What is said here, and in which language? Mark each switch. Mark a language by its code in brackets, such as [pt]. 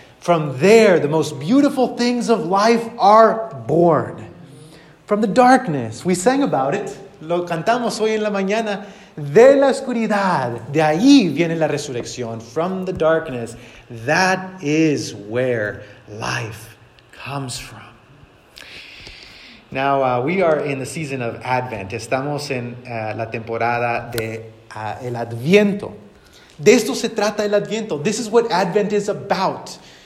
[en] From there, the most beautiful things of life are born. From the darkness, we sang about it. [es] Lo cantamos hoy en la mañana. De la oscuridad, de ahí viene la resurrección. [en] From the darkness, that is where life comes from. Now, we are in the season of Advent. [es] Estamos en la temporada de el Adviento. De esto se trata el Adviento. [en] This is what Advent is about.